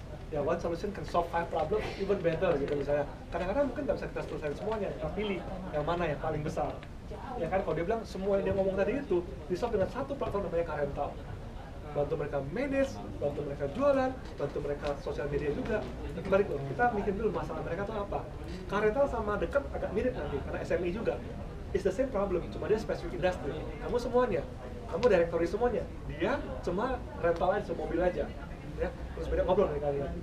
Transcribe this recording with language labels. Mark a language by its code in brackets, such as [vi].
[id] Ya [en] one solution can solve five problems even better [id] gitu misalnya. Kadang-kadang mungkin nggak bisa kita selesaikan semuanya, kita pilih yang mana yang paling besar. Ya kan kalau dia bilang semua yang dia ngomong tadi itu di solve dengan satu platform namanya Karental. Bantu mereka manage, bantu mereka jualan, bantu mereka sosial media juga. Kembali ke kita mikir dulu masalah mereka itu apa. Karental sama dekat agak mirip nanti, karena SME juga. [en] It's the same problem, [id] cuma dia [en] specific industry. [id] Kamu semuanya, kamu directory semuanya. Dia cuma rental aja, mobil aja. Ya, terus beda ngobrol dari kalian.